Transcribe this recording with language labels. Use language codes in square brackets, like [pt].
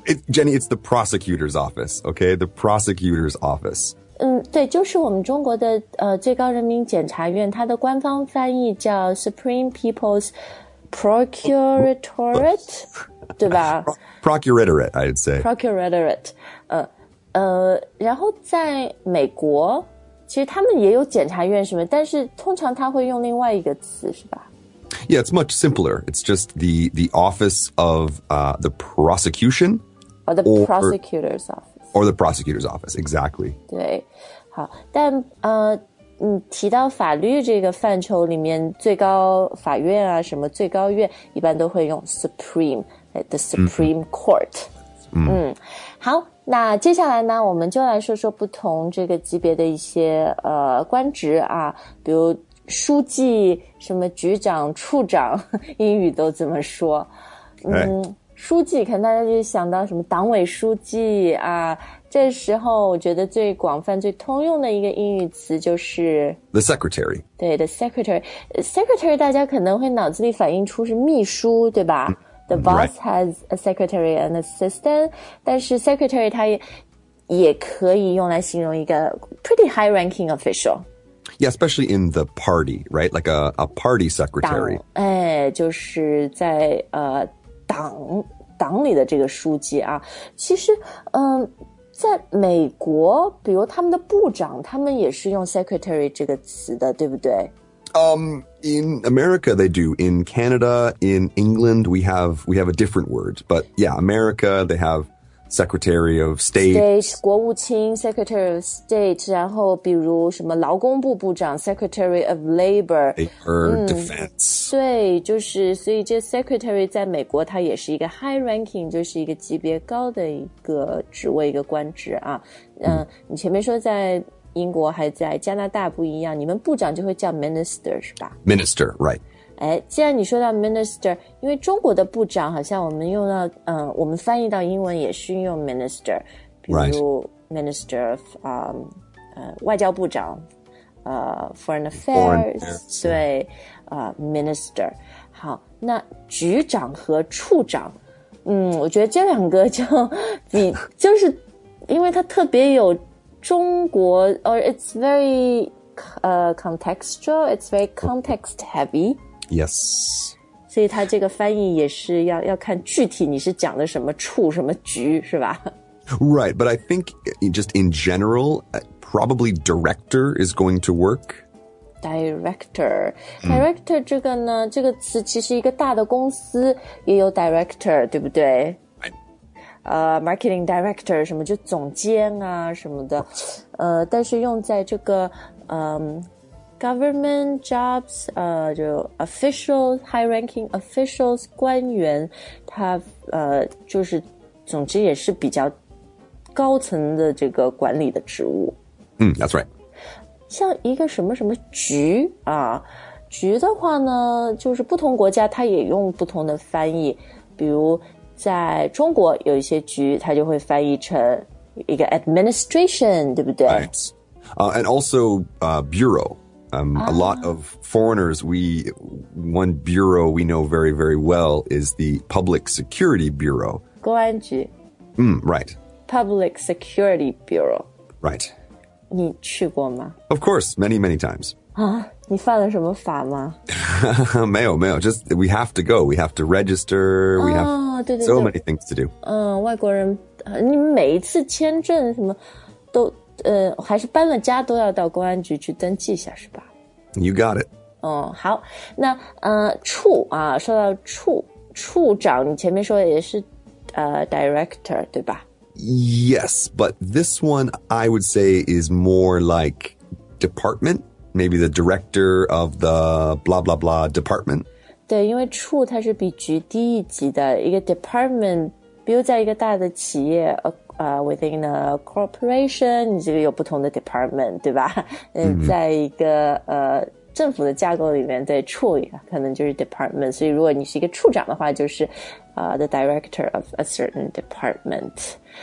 [en] Jenny, it's the prosecutor's office. Okay, the prosecutor's office. [zh] 对，就是我们中国的最高人民检察院，它的官方翻译叫 Supreme People's Procuratorate, 对吧？ [en] Procuratorate, I'd say. Procuratorate. [zh] 然后在美国，其实他们也有检察院什么，但是通常他会用另外一个词，是吧？ [en] Yeah, it's much simpler. It's just the office of the prosecution. Or the prosecutor's office. Or the prosecutor's office, exactly. [zh] 对，好，但提到法律这个范畴里面，最高法院啊，什么最高院，一般都会用 supreme, the supreme court. 好，那接下来呢，我们就来说说不同这个级别的一些官职啊，比如书记、什么局长、处长，英语都怎么说？书记可能大家就想到什么党委书记啊，这时候我觉得最广泛最通用的一个英语词就是 [en] The secretary. 对 The secretary. [zh] Secretary 大家可能会脑子里反映出是秘书对吧 [en] The boss、 right. has a secretary and assistant. [zh] 但是 secretary 它 也可以用来形容一个 [en] pretty high ranking official. Yeah, especially in the party, right? Like a party secretary. [zh] 哎，就是在党里的这个书记啊，其实在美国比如他们的部长他们也是用 secretary 这个词的对不对 [en] In America they do, in Canada, in England we have a different word, but yeah, America they have secretary of state [zh] 国务卿 secretary of state, 然后比如什么劳工部部长 secretary of labor, [en] defense [zh] 对，就是所以这 secretary 在美国它也是一个 [en] high ranking, [zh] 就是一个级别高的一个职位一个官职啊。你前面说在英国还在加拿大不一样，你们部长就会叫 minister 是吧？ [en] Minister, right. [zh] 哎，既然你说到 minister, 因为中国的部长好像我们用到我们翻译到英文也是用 minister, 比如 minister of, 外交部长。 [en] Foreign affairs, foreign affairs, [zh] 对、minister. 好，那局长和处长，我觉得这两个就比就是因为它特别有中国 [en] or it's very contextual, it's very context heavy. Yes. [zh] 所以它这个翻译也是要看具体你是讲的什么处什么局是吧？ [en] Right, but I think just in general,Probably director is going to work. Director. [zh] Director 这个呢这个词其实一个大的公司也有 director, 对不对 Marketing director, 什么就总监啊什么的。但是用在这个 [en] government jobs, [zh] 就 officials, [en] high ranking officials, [zh] 官员他就是总之也是比较高层的这个管理的职务。 [en] That's right. [zh] 像一个什么什么局啊，局的话呢，就是不同国家它也用不同的翻译。比如在中国有一些局，它就会翻译成一个 administration, 对不对 [en] ？Right. And also bureau. A lot of foreigners, one bureau we know very very well is the Public Security Bureau. [zh] 公安局。 [en] Right. Public Security Bureau. Right. [zh] 你去过吗 [en] ？Of course, many, many times. [zh] 啊，你犯了什么法吗？没有，没有 [en] ，just we have to go, we have to register, we have [zh] 对对对 [en] so many things to do. [zh] 外国人，你每一次签证什么都，还是搬了家都要到公安局去登记一下，是吧 [en] ？You got it. [zh] 好，那处啊，说到处长，你前面说的也是director 对吧？ [en] Yes, but this one I would say is more like department, maybe the director of the blah blah blah department. [zh] 对，因为处它是比局低一级的一个 department， 比如在一个大的企业 [en] within a corporation， [zh] 你这个有不同的 department， 对吧？在一个政府的架构里面，对，处可能就是 department， 所以如果你是一个处长的话，就是 [en] the director of a certain department。